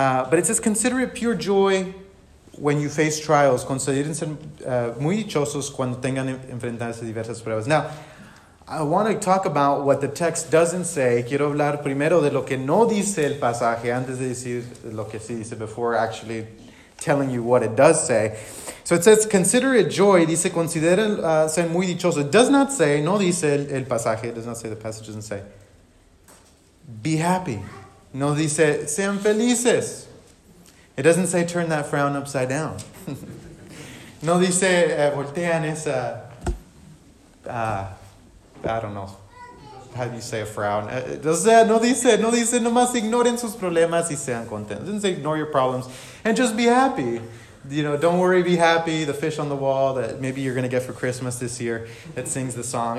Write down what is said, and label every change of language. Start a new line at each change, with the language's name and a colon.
English: But it says, consider it pure joy when you face trials.
Spanish: Considérense muy dichosos cuando tengan enfrentarse diversas pruebas.
English: Now, I want to talk about what the text doesn't say.
Spanish: Quiero hablar primero de lo que no dice el pasaje antes de decir lo que sí dice
English: before actually telling you what it does say. So it says, consider it joy.
Spanish: Dice, considérense muy dichosos.
English: It does not say,
Spanish: no dice el pasaje.
English: It does not say, the passage doesn't say, be happy.
Spanish: No dice, sean felices.
English: It doesn't say, turn that frown upside down.
Spanish: No dice, voltean esa,
English: I don't know how you say a frown.
Spanish: No dice, nomás ignoren sus problemas y sean contentos.
English: It doesn't say, ignore your problems and just be happy. You know, don't worry, be happy. The fish on the wall that maybe you're going to get for Christmas this year that sings the song.